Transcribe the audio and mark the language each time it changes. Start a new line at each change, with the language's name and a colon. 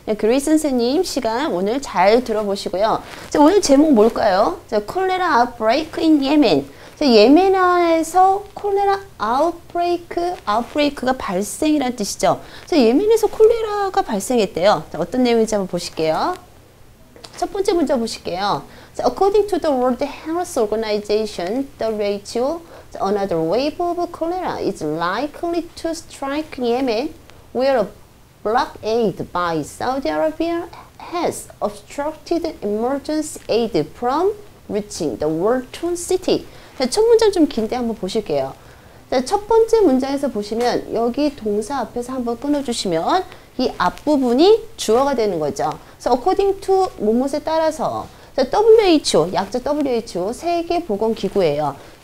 Korean: 그레이스 선생님 시간 오늘 잘 들어보시고요. 오늘 제목 뭘까요?
English: 콜레라 아웃브레이크 인 예멘.
Korean: 예멘에서 콜레라 아웃브레이크가 발생이라는 뜻이죠. 예멘에서 콜레라가 발생했대요. 어떤 내용인지 한번 보실게요. 첫 번째 문제 보실게요.
English: According to the World Health Organization, WHO, another wave of cholera is likely to strike Yemen, where a blockade by Saudi Arabia has obstructed emergency aid from reaching the World Trade City.
Korean: 첫 문장 좀 긴데 한번 보실게요. 첫 번째 문장에서 보시면 여기 동사 앞에서 한번 끊어주시면 이 앞부분이 주어가 되는 거죠.
English: So according to
Korean: 뭐뭐에 따라서 WHO, 약자 WHO, 세계보건기구예요.